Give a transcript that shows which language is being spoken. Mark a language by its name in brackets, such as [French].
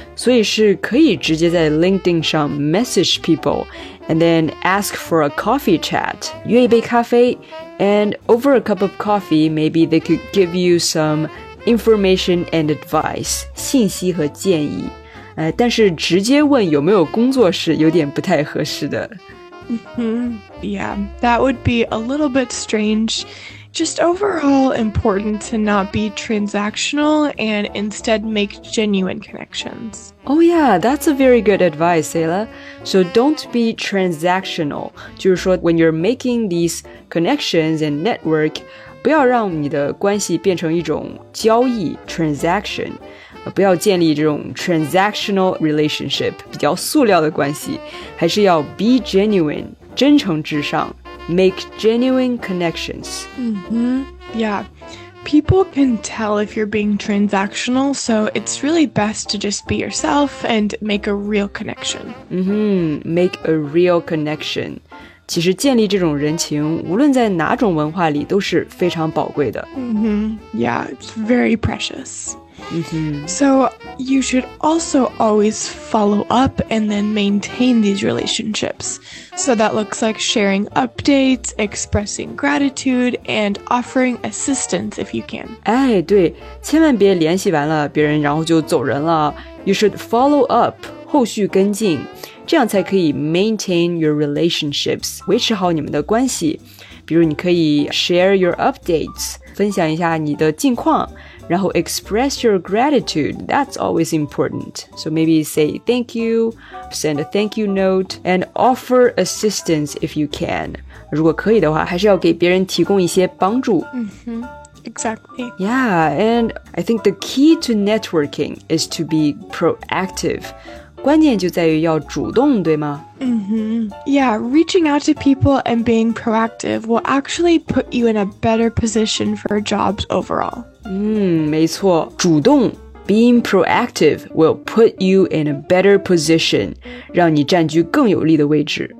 [Chinese] 所以是可以直接在 [English] LinkedIn 上 message people and then ask for a coffee chat. [Chinese] 约一杯咖啡。 [English] And over a cup of coffee, maybe they could give you some information and advice, [Chinese] 信息和建议。但是直接问有没有工作是有点不太合适的。 [English] Yeah, that would be a little bit strange. just overall important to not be transactional and instead make genuine connections. Oh yeah, that's a very good advice, Sayla. So don't be transactional. [Chinese] 就是说 [English] when you're making these connections and network, [Chinese] 不要让你的关系变成一种交易 [English] transaction. [Chinese] 不要建立这种 [English] transactional relationship, [Chinese] 比较塑料的关系,还是要 [English] be genuine, [Chinese] 真诚至上, [English] make genuine connections. Mm-hmm. Yeah, people can tell if you're being transactional, so it's really best to just be yourself and make a real connection. Mm-hmm. Make a real connection. [Chinese] 其实建立这种人情,无论在哪种文化里都是非常宝贵的。 [English] Mm-hmm. Yeah, it's very precious. Mm-hmm. So you should also always follow up and then maintain these relationships. So that looks like sharing updates, expressing gratitude, and offering assistance if you can. [Chinese] 哎，对，千万别联系完了别人然后就走人了。 [English] You should follow up, [Chinese] 后续跟进，这样才可以 [English] maintain your relationships, [Chinese] 维持好你们的关系。比如你可以 [English] share your updates, [Chinese] 分享一下你的近况。然后 [English] express your gratitude, that's always important. So maybe say thank you, send a thank you note, and offer assistance if you can. [Chinese] 如果可以的话还是要给别人提供一些帮助。 [English] Mm-hmm. Exactly. Yeah, and I think the key to networking is to be proactive. [Chinese] 关键就在于要主动，对吗？ Mm-hmm. [English] Yeah, reaching out to people and being proactive will actually put you in a better position for jobs overall. [Chinese] 没错，主动 [English] being proactive will put you in a better position, [Chinese] 让你占据更有利的位置。